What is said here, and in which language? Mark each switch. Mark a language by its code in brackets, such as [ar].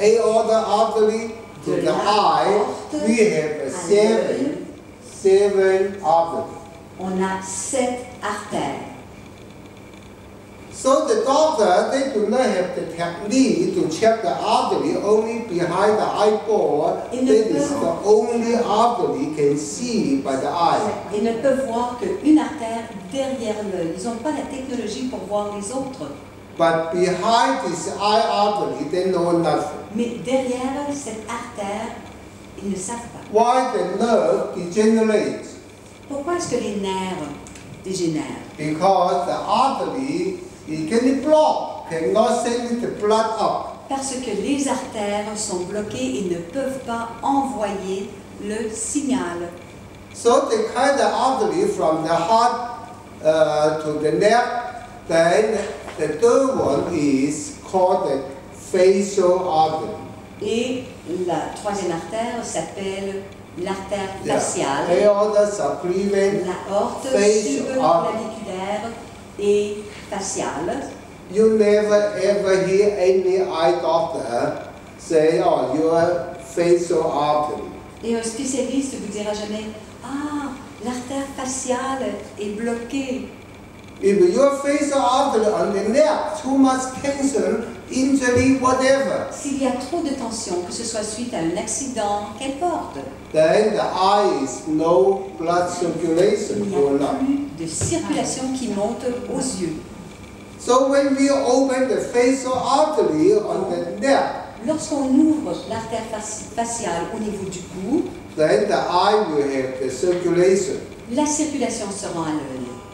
[en] aorta artery to the eye, we have seven arteries. [fr] On a sept artères. [en] So the doctor, they do not have the technique to check the artery only behind the eyeball. That is the only artery can see by the eye. [fr] Ils ne peuvent voir qu'une artère derrière l'œil. Ils n'ont pas la technologie pour voir les autres. [en] But behind this eye artery, they know nothing. [fr] Mais derrière cette artère, ils ne savent pas. [en] Why the nerve degenerates? [fr] Pourquoi est-ce que les nerfs dégénèrent? [en] Because the artery is getting blocked, cannot send the blood up. [fr] Parce que les artères sont bloquées et ne peuvent pas envoyer le signal. [en] So they cut the artery from the heart to the neck, then the third one is called the facial artery. [fr] Et la troisième artère s'appelle l'artère faciale. [en] Yeah. Aorta supplement [fr] la aorte subclaviculaire et faciale. [en] You never ever hear any eye doctor say, "Oh, your facial artery." [fr] Et un spécialiste vous dira jamais, "Ah, l'artère faciale est bloquée." [en] If your facial artery on the neck, too much tension, injury, whatever. [fr] S'il y a trop de tension, que ce soit suite à un accident, qu'importe. [en] Then the eye is no blood circulation going up. [fr] Il n'y a plus de circulation qui monte aux yeux. [en] So when we open the facial artery on the neck, [fr] lorsqu'on ouvre l'artère faciale au niveau du cou, [en] then the eye will have the circulation. [fr] La circulation sera à l'œil.